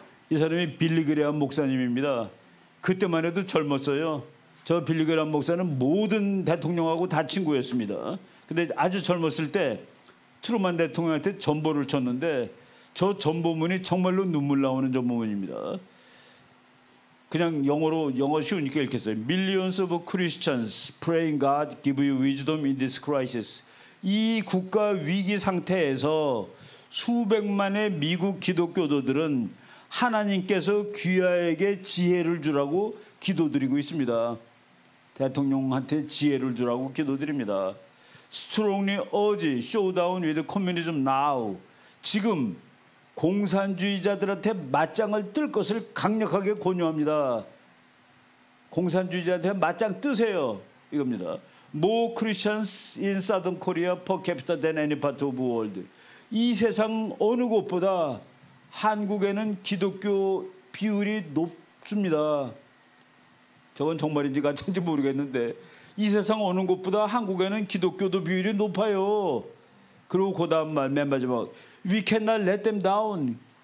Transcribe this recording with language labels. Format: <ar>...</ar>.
<ko>이 사람이 빌리 그레엄 목사님입니다. 그때만 해도 젊었어요. 저 빌리 그레엄 목사는 모든 대통령하고 다 친구였습니다. 근데 아주 젊었을 때 트루먼 대통령한테 전보를 쳤는데 저 전보문이 정말로 눈물 나오는 전보문입니다. 그냥 영어 쉬우니까 읽겠어요.</ko> <en>Millions of Christians praying God give you wisdom in this crisis.</en> <ko>이 국가 위기 상태에서 수백만의 미국 기독교도들은 하나님께서 귀하에게 지혜를 주라고 기도드리고 있습니다. 대통령한테 지혜를 주라고 기도드립니다.</ko> <en>Strongly urge showdown with communism now.</en> <ko>지금 공산주의자들한테 맞짱을 뜰 것을 강력하게 권유합니다. 공산주의자한테 맞짱 뜨세요. 이겁니다.</ko> <en>More Christians in Southern Korea per capita than any part of the world.</en> <ko>이 세상 어느 곳보다 한국에는 기독교 비율이 높습니다. 저건 정말인지 가짜인지 모르겠는데 이 세상 어느 곳보다 한국에는 기독교도 비율이 높아요. 그리고 그 다음 말 맨 마지막</ko> <en>We cannot let them down.</en>